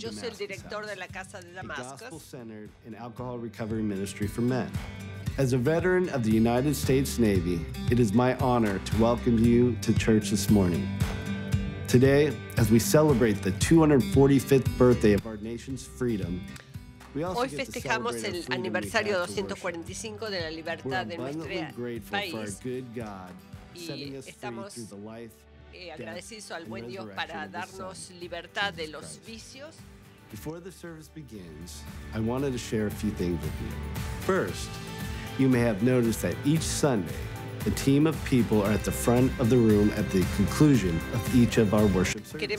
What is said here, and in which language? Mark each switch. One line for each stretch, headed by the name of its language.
Spanish: Damascus. Yo soy el director de la Casa de Damascus.
English: A gospel-centered and alcohol recovery ministry for men. As a veteran of the United States Navy, it is my honor to welcome you to church this morning. Today, as we celebrate the 245th birthday of our nation's freedom, we also
Spanish: hoy festejamos el aniversario 245 de la libertad de nuestro país.
English: We're abundantly grateful for our good God setting us free through the life,
Spanish: agradecidos al buen Dios para darnos libertad de los vicios.
English: Before the service begins, I wanted to share a few things with you. First, you may have noticed that each Sunday, a team of people are at the front of the room at the conclusion of each of our worship services.